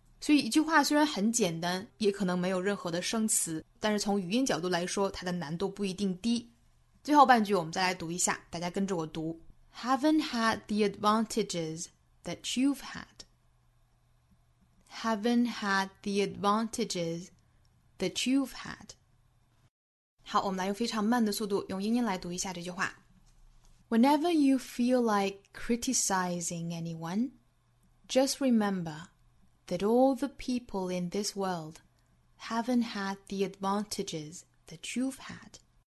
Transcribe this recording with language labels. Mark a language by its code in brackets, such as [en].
[zh] 所以一句话虽然很简单，也可能没有任何的生词，但是从语音角度来说它的难度不一定低。最后半句我们再来读一下，大家跟着我读， [en] haven't had the advantages that you've had， [zh] haven't had the advantages that you've had。好，我们来用非常慢的速度用英音来读一下这句话。 [en] Whenever you feel like criticizing anyone, just remember that all the people in this world haven't had the advantages that you've had.